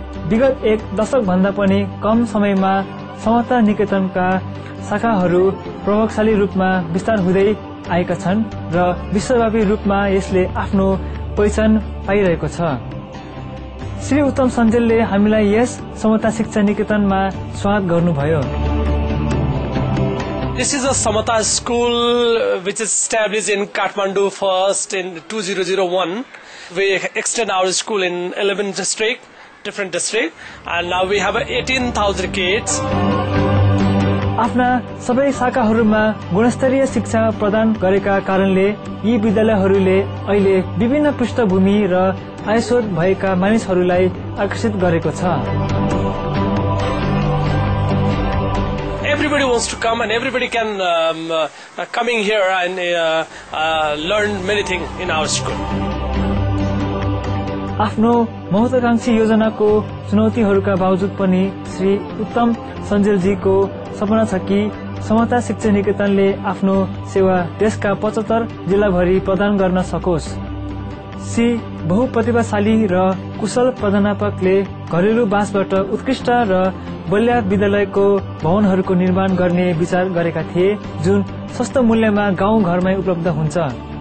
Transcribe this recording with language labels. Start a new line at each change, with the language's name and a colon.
Nepali: विगत एक दशक भन्दा पनि कम समयमा समता निकेतनका शाखाहरू प्रभावशाली रूपमा विस्तार हुँदै आएका छन् र विश्वव्यापी रूपमा यसले आफ्नो पहिचान पाइरहेको छ। श्री उत्तम सञ्जेलले हामीलाई यस समता शिक्षा निकेतनमा स्वागत गर्नुभयो।
English: This is a Samata school which is established in Kathmandu first in 2001. We extend our school in 11 district, different district, and now we have 18,000 kids.
Nepali: आफ्ना सबै शाखाहरूमा गुणस्तरीय शिक्षा प्रदान गरेका कारणले यी विद्यालयहरूले अहिले विभिन्न पृष्ठभूमि र आयस्रोत भएका मानिसहरूलाई आकर्षित गरेको छ।
English: Everybody wants to come and everybody can coming here and learn many thing in our school.
Nepali: आफ्नो महत्वाकांक्षी योजनाको चुनौतीहरूका बावजुद पनि श्री उत्तम सञ्जेलजीको सपना छ कि समता शिक्षा निकेतनले आफ्नो सेवा देशका 75 जिल्लाभरि प्रदान गर्न सकोस्। श्री बहुप्रतिभाशाली र कुशल प्रधानपकले घरेलु बाँसबाट उत्कृष्ट र बलिय विद्यालयको भवनहरूको निर्माण गर्ने विचार गरेका थिए, जुन सस्तो मूल्यमा गाउँ घरमै उपलब्ध हुन्छ।